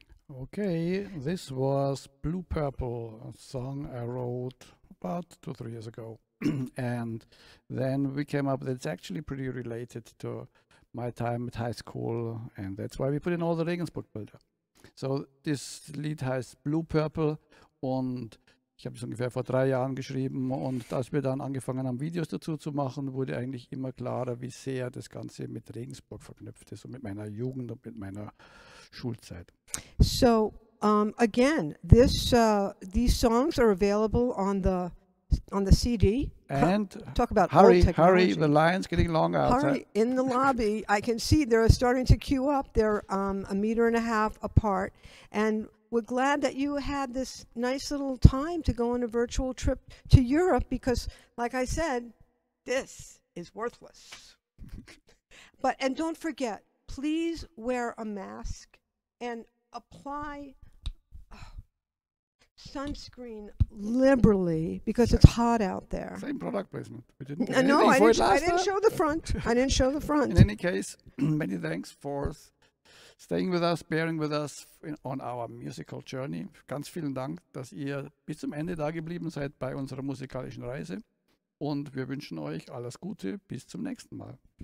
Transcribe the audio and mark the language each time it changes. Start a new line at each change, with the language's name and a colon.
English: Okay, this was Blue Purple, a song I wrote about 2-3 years ago. And then we came up that it's actually pretty related to my time at high school, and that's why we put in all the Regensburg Bilder. So this
German: Lied heißt Blue Purple, und ich habe es ungefähr vor 3 Jahren geschrieben, und als wir dann angefangen haben, Videos dazu zu machen, wurde eigentlich immer klarer, wie sehr das Ganze mit Regensburg verknüpft ist und mit meiner Jugend und mit meiner Schulzeit.
English: So, again, these songs are available on the CD. And talk about hurry, old technology. Hurry, the line's getting long outside. Hurry, in the lobby, I can see they're starting to queue up. They're a meter and a half apart. And we're glad that you had this nice little time to go on a virtual trip to Europe, because, like I said, this is worthless. And don't forget, please wear a mask and apply sunscreen liberally because it's hot out there. Same product placement. We didn't. I didn't show the front. I didn't show the front. In any case, many thanks for staying with us, bearing with us on our musical journey.
German: Ganz vielen Dank, dass ihr bis zum Ende da geblieben seid bei unserer musikalischen Reise. Und wir wünschen euch alles Gute. Bis zum nächsten Mal.